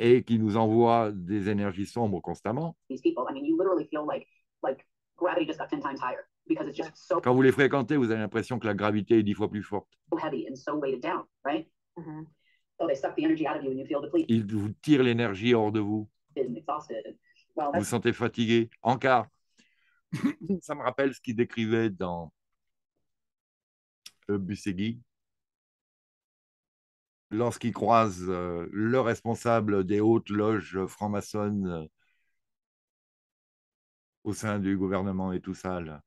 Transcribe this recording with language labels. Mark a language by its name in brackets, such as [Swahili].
[French] Et qui nous envoient des énergies sombres constamment. [English] These people, I mean, you literally feel like gravity just got 10 times higher because it's just so... [French] Quand vous les fréquentez, vous avez l'impression que la gravité est 10 fois plus forte. [English] So heavy and so weighted down, right? Mm-hmm. So they suck the energy out of you and you feel depleted. [French] Ils vous tirent l'énergie hors de vous. [English] Well, [French] vous sentez fatigué. En cas, ça me rappelle ce qu'il décrivait dans Busegui. Lorsqu'il croise le responsable des hautes loges franc-maçonnes au sein du gouvernement et tout ça, là.